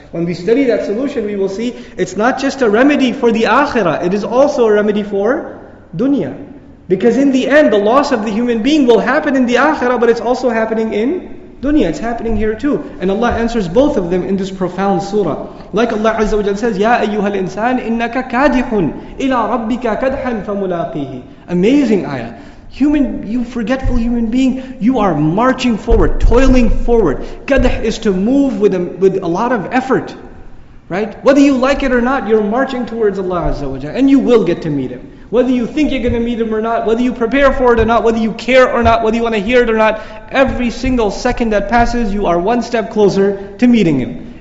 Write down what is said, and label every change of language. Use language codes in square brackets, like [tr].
[en] When we study that solution, we will see it's not just a remedy for the akhirah, it is also a remedy for dunya. Because in the end, the loss of the human being will happen in the akhirah, but it's also happening in dunya. It's happening here too. And Allah answers both of them in this profound surah. Like Allah Azza wa Jal says, [ar] يَا أَيُّهَا الْإِنسَانِ إِنَّكَ كَادِحٌ إِلَىٰ رَبِّكَ كَدْحًا فَمُلَاقِيهِ. [en] Amazing ayah. Human, you forgetful human being, you are marching forward, toiling forward. Qadh is to move with a lot of effort, right? Whether you like it or not, you're marching towards Allah Azza wa Jalla, and you will get to meet Him. Whether you think you're going to meet Him or not, whether you prepare for it or not, whether you care or not, whether you want to hear it or not, every single second that passes, you are one step closer to meeting Him.